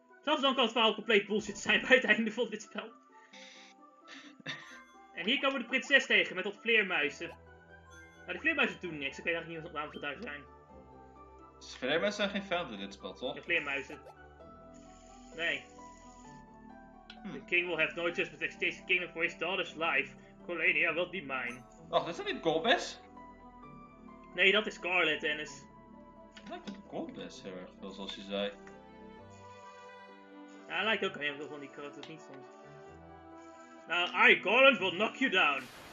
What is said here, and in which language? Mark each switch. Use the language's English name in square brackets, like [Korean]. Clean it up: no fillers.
[Dutch] Zelfs dan kan het verhaal compleet bullshit zijn bij het einde van dit spel. En hier komen we de prinses tegen met wat vleermuizen. Maar de vleermuizen doen niks, ik weet eigenlijk niet waarom ze daar zijn. Vleermuizen zijn geen fans in dit spel, toch? De vleermuizen. Nee. [English] The king will have no choice but to exchange the kingdom for his daughter's life. Colenia will be mine. [Dutch] Wacht, is dat niet Golbez? Nee, dat is Scarlet, Dennis. Hij lijkt op Golbez heel erg veel, zoals je zei. Ja, hij lijkt ook heel veel van die karakter, niet soms. [English] Nou, I, Garland, will knock you down.